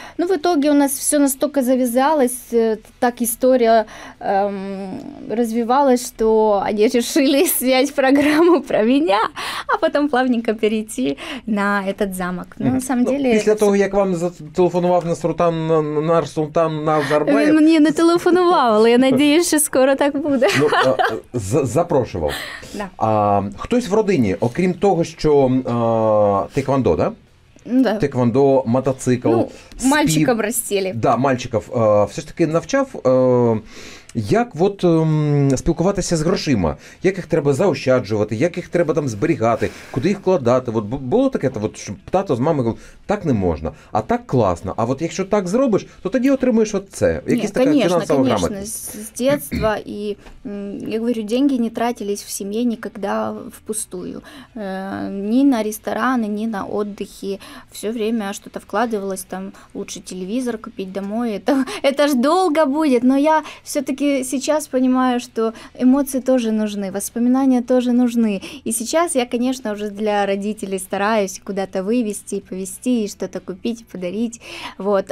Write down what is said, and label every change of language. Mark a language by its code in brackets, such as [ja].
[ru] Ну, в итоге у нас все настолько завязалось, так история развивалась, что они решили снять программу про меня, а потом плавненько перейти на этот замок. Ну, на самом деле... После того, как вам зателефонував Нарсултан Назарбаев... Он мне не телефонував, але я надеюсь, что скоро так будет. [uk] Запрошував. [ru] Да. [uk] Хтось в родині, окрім того, що тхэквондо, да? [ru] Да. Тхэквондо, мотоцикл, спів. Мальчиков ростили. Да, мальчиков. [uk] Все ж таки навчав, як от спілкуватися з грошима, як їх треба заощаджувати, як їх треба там зберігати, куди їх вкладати. От було таке, що тато з мамою говорив, так не можна, а так класно. А от якщо так зробиш, то тоді отримуєш оце. Якісь така фінансова грамотність. Конечно, з дитинства, і я говорю, [ru] деньги не тратились [uk] в сім'ї ніколи впустую. Ні на ресторани, ні на отдыхи. [ru] Все время что-то вкладывалось, там лучше телевізор купить домой. Это ж [uk] довго буде, [ru] но я все-таки сейчас понимаю, что эмоции тоже нужны, воспоминания тоже нужны. И сейчас я, конечно, уже для родителей стараюсь куда-то вывести, повезти, что-то купить, подарить. Вот.